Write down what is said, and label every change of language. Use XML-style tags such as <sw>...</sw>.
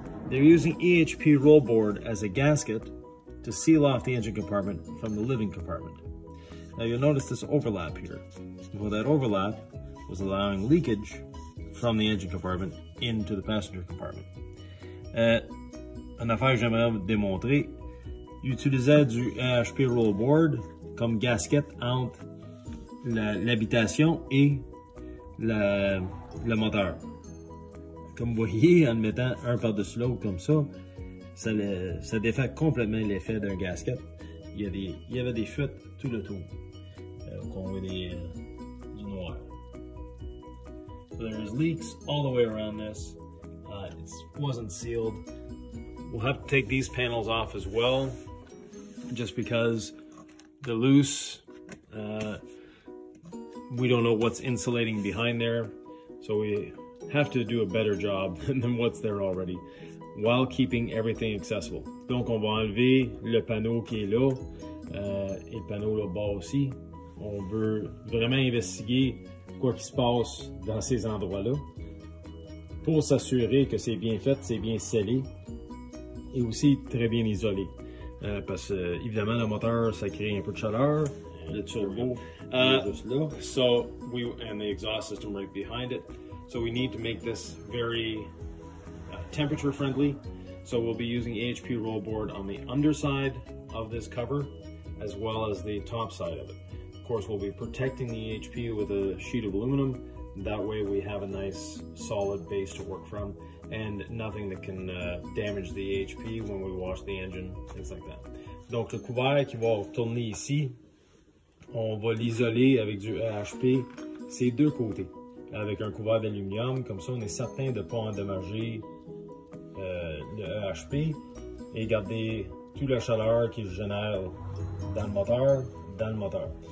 <en>They're using EHP roll board as a gasket to seal off the engine compartment from the living compartment. Now you'll notice this overlap here. Well, that overlap was allowing leakage from the engine compartment into the passenger compartment.</en> <fr>Une affaire j'aimerais vous démontrer. utilisait du AHP rollboard comme gasket entre l'habitation et le moteur. Comme vous voyez, en le mettant un par-dessus l'autre comme ça, ça défait complètement l'effet d'un gasket. Il y avait des fuites tout le tour. On voit du noir.</fr> <en>So there's leaks all the way around this. It wasn't sealed. We'll have to take these panels off as well, just because they're loose. We don't know what's insulating behind there, so we have to do a better job than what's there already, while keeping everything accessible.</en> <fr>Donc on va enlever le panneau qui est là, et le panneau là-bas aussi. On veut vraiment investiguer quoi qui se passe dans ces endroits-là pour s'assurer que c'est bien fait, c'est bien scellé et aussi très bien isolé. Parce évidemment, le moteur, ça crée un peu de chaleur. Le turbo est juste là.</fr> <en>And the exhaust system right behind it. So we need to make this very temperature friendly. So we'll be using AHP roll board on the underside of this cover as well as the top side of it. Of course, we'll be protecting the HP with a sheet of aluminum. That way we have a nice solid base to work from and nothing that can damage the HP when we wash the engine, things like that.</en> <fr>Donc le couvert qui va tourner ici, on va l'isoler avec du AHP, ces deux côtés. Avec un couvert d'aluminium, comme ça on est certain de ne pas endommager le AHP et garder toute la chaleur qu'il génère dans le moteur.</fr>